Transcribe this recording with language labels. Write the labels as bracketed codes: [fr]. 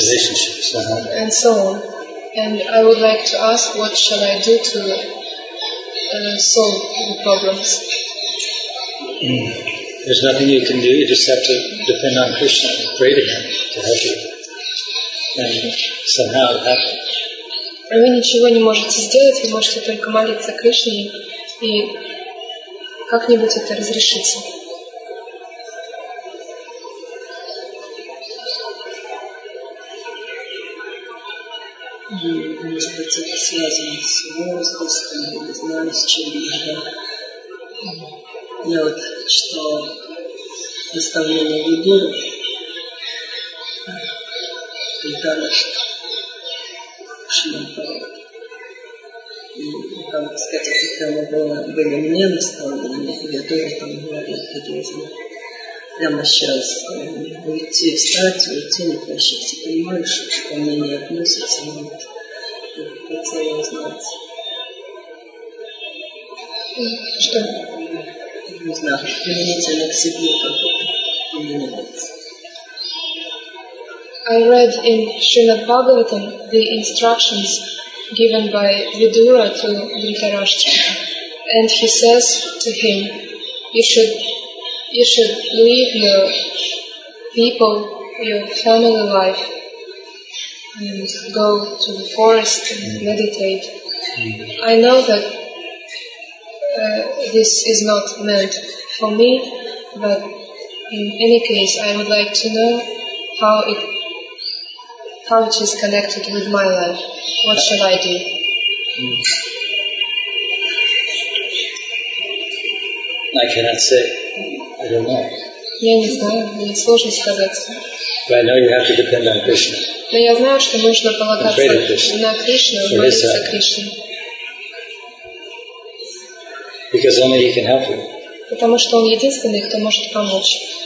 [en] Relationships, uh-huh. And so on. And I would like to ask, what shall I do to solve the problems? There's nothing you can do. You just have to depend on Krishna and pray to Him to help you. And somehow it happens. [ru] Вы ничего не можете сделать, вы можете только молиться Кришне и как-нибудь это разрешится. Может быть, это связано с возрастом, не знаю, с чем даже. Я вот читала наставление Гуру, и там, так сказать, это прямо было, были мне наставления, я тоже там говорила, ты должен прямо сейчас уйти, встать, уйти, не прощайся, понимаешь, что ко мне не относится, но вот, я хотела узнать. Что? Не знаю, применительно к себе, как это поменяется. [en] I read in Srimad Bhagavatam the instructions given by Vidura to Dhritarashtra, and he says to him, you should leave your people, your family life, and go to the forest and meditate. I know that this is not meant for me, but in any case, I would like to know how it is connected with my life. What should I do? I cannot say. I don't know. [ru] Я не знаю. Мне сложно сказать. [en] But I know you have to depend on Krishna. [ru] Но я знаю, что нужно полагаться на Кришну, молиться Кришне. [en] Because only He can help you. [ru] Потому что Он единственный, кто может помочь.